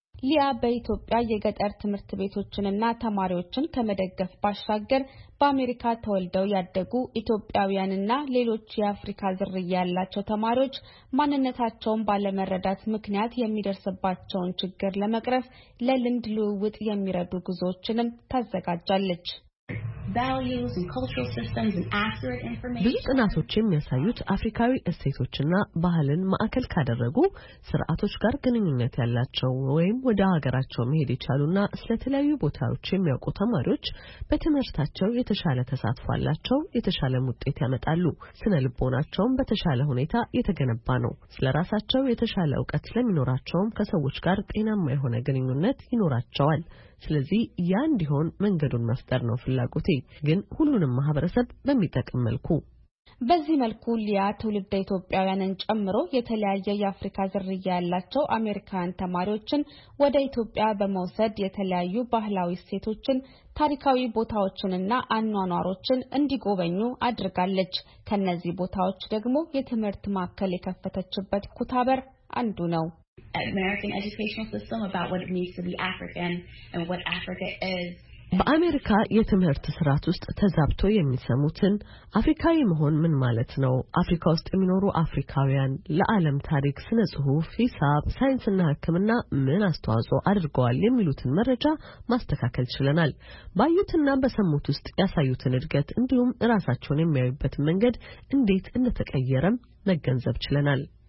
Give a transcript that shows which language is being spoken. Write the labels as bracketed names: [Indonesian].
[Amharic] ሊያ በኢትዮጵያ የገጠር ትምህርት ቤቶችንና ተማሪዎችን ከመደገፍ ባሻገር በአሜሪካ ተወልደው ያደጉ ኢትዮጵያውያንና ሌሎች የአፍሪካ ዝርያ ያላቸው ተማሪዎች ማንነታቸውን ባለመረዳት ምክንያት የሚደርስባቸውን ችግር ለመቅረፍ ለልምድ ልውውጥ የሚረዱ ጉዞዎችንም ታዘጋጃለች። [English] values and cultural systems and accurate information. [Amharic] ብዙ ጥናቶች የሚያሳዩት አፍሪካዊ እሴቶችና ባህልን ማዕከል ካደረጉ ስርዓቶች ጋር ግንኙነት ያላቸው ወይም ወደ ሀገራቸው መሄድ ይችላሉና ስለተለያዩ ቦታዎች የሚያውቁ ተማሪዎች በትምህርታቸው የተሻለ ተሳትፎ አላቸው፣ የተሻለ ውጤት ያመጣሉ፣ ስነ ልቦናቸውም በተሻለ ሁኔታ የተገነባ ነው። ስለራሳቸው የተሻለ እውቀት ስለሚኖራቸውም ከሰዎች ጋር ጤናማ የሆነ ግንኙነት ይኖራቸዋል። ስለዚህ ያን ዲሆን መንገዱን መፍጠር ነው ፍላጎቴ። ግን ሁሉንም ማህበረሰብ በሚጠቅም መልኩ በዚህ መልኩ ሊያ ትውልደ ኢትዮጵያውያንን ጨምሮ የተለያየ የአፍሪካ ዝርያ ያላቸው አሜሪካን ተማሪዎችን ወደ ኢትዮጵያ በመውሰድ የተለያዩ ባህላዊ እሴቶችን፣ ታሪካዊ ቦታዎችንና አኗኗሮችን እንዲጎበኙ አድርጋለች። ከነዚህ ቦታዎች ደግሞ የትምህርት ማዕከል የከፈተችበት ኩታበር አንዱ ነው። [English] American educational system about what it means to be African and what Africa is. [Amharic] በአሜሪካ የትምህርት ስርዓት ውስጥ ተዛብቶ የሚሰሙትን አፍሪካዊ መሆን ምን ማለት ነው? አፍሪካ ውስጥ የሚኖሩ አፍሪካውያን ለዓለም ታሪክ፣ ስነ ጽሑፍ፣ ሂሳብ፣ ሳይንስና ሕክምና ምን አስተዋጽኦ አድርገዋል የሚሉትን መረጃ ማስተካከል ይችላል። ባዩትና በሰሙት ውስጥ ያሳዩትን እድገት እንዲሁም ራሳቸውን የሚያዩበት መንገድ እንዴት እንደተቀየረም መገንዘብ ይችላል።